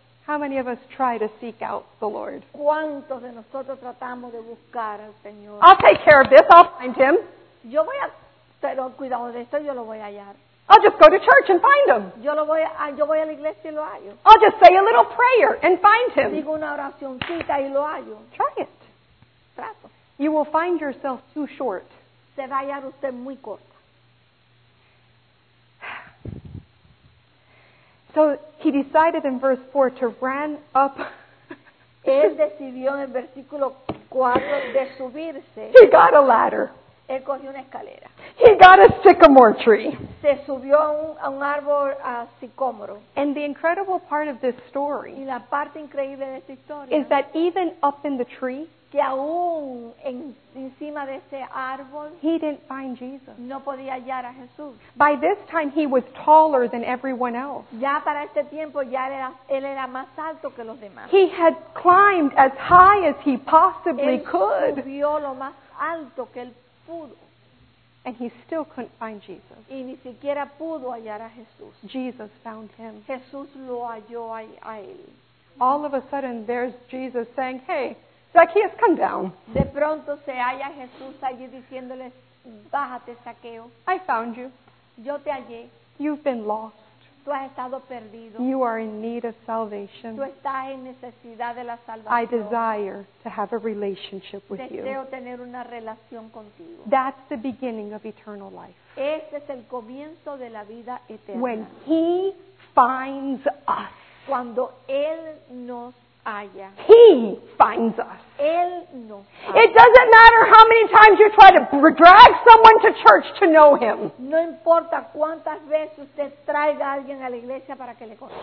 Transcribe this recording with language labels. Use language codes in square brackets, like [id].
[en] How many of us try to seek out the Lord? [es] ¿Cuántos de nosotros tratamos de buscar al Señor? [en] I'll take care of this. I'll find him. [es] Yo voy a tener cuidado de esto. Yo lo voy a hallar. [en] I'll just go to church and find him. [es] Yo voy a la iglesia y lo hallo. [en] I'll just say a little prayer and find him. [es] Digo una oracioncita y lo hallo. [en] Try it. [es] Trato. [en] You will find yourself too short. [es] Se va a hallar usted muy corta. [en] So he decided in verse 4 to run up. [es] Él decidió en versículo 4 de subirse. [en] He got a ladder. [es] Él cogió una escalera. [en] He got a sycamore tree. [es] Se subió a un árbol a sicómoro. [en] And the incredible part of this story, [es] y la parte increíble de esta historia, [en] is that even up in the tree, [es] que aún encima de ese árbol, [en] he didn't find Jesus. [es] No podía hallar a Jesús. [en] By this time, he was taller than everyone else. [es] Ya para este tiempo, ya él era más alto que los demás. [en] He had climbed as high as he possibly [es] él [en] could. [es] Subió lo más alto que él pudo. [en] And he still couldn't find Jesus. [es] Y ni siquiera pudo hallar a Jesús. [en] Jesus found him. [es] Jesús lo halló a él. [en] All of a sudden, there's Jesus saying, "Hey, Zacchaeus, come down." [es] De pronto se halla Jesús allí diciéndole, "Bájate, Zaqueo." [en] I found you. [es] Yo te hallé. [en] You've been lost. [es] Tú has estado perdido. [en] You are in need of salvation. [es] Tú estás en necesidad de la salvación. [en] I desire to have a relationship with [es] Deseo [en] you. [es] Deseo tener una relación contigo. [en] That's the beginning of eternal life. [es] Ese es el comienzo de la vida eterna. [en] When he finds us. [es] Cuando él nos halla. [en] He finds us. [es] Él nos halla. [en] It doesn't matter how many times you try to drag someone to church to know him. [es] No importa cuántas veces usted traiga a alguien a la iglesia para que le conozca.